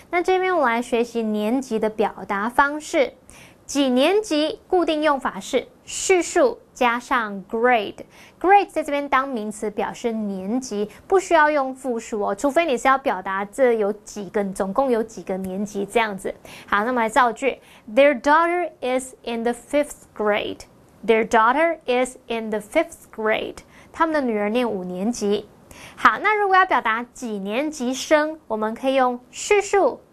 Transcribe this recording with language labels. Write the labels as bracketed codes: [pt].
[zh] 那这边我来学习年级的表达方式。几年级固定用法是序数加上 grade。 grade 在这边当名词表示年级，不需要用复数哦，除非你是要表达这有几个，总共有几个年级这样子。好，那么来造句 [en] ，Their daughter is in the 5th grade. Their daughter is in the 5th grade. [zh] 他们的女儿念五年级。好，那如果要表达几年级生，我们可以用序数。